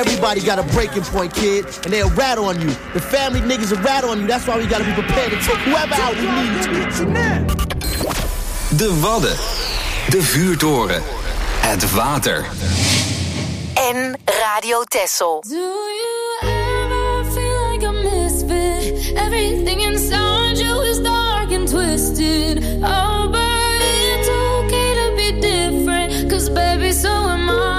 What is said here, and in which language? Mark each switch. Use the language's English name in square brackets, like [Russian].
[English] Kid, and they'll rat on you. The family niggas will rat on you. That's why we gotta be prepared to take whoever out we need to. [Dutch] De Wadden, de vuurtoren, het water. En Radio Texel. [English] Do you ever feel like a misfit? Everything inside you is dark and twisted. Oh, but it's okay to be different. Cause baby, so am I.